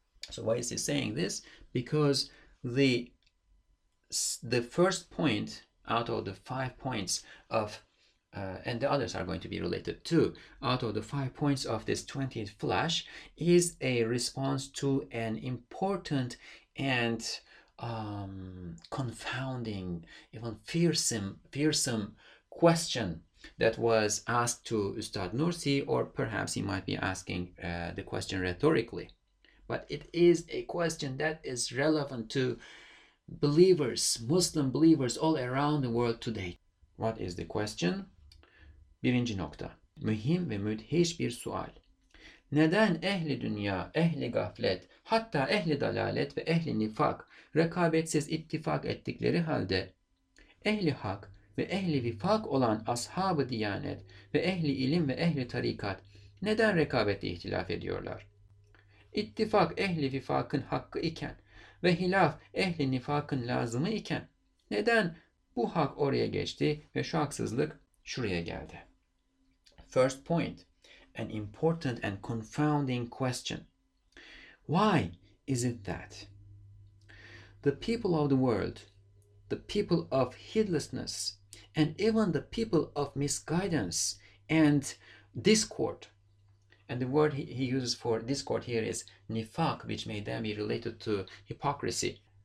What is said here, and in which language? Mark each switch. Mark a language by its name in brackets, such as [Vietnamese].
[English] So why is he saying this? Because the first point out of the 5 points of, and the others are going to be related too, out of the 5 points of this 20th flash is a response to an important and confounding, even fearsome question that was asked to Ustad Nursi, or perhaps he might be asking the question rhetorically. But it is a question that is relevant to believers, Muslim believers all around the world today. What is the question? [Turkish] Birinci nokta. Mühim ve müdhiş bir sual. Neden ehli dünya, ehli gaflet, hatta ehli dalalet ve ehli nifak rekabetsiz ittifak ettikleri halde ehli hak ve ehli vifak olan ashab-ı diyanet ve ehli ilim ve ehli tarikat neden rekabette ihtilaf ediyorlar? İttifak ehli vifakın hakkı iken ve hilaf ehli nifakın lazımı iken neden bu hak oraya geçti ve şu haksızlık şuraya geldi? [English] First point, an important and confounding question. Why is it that the people of the world, the people of heedlessness, and even the people of misguidance and discord, and the word he uses for discord here is nifaq, which may then be related to hypocrisy.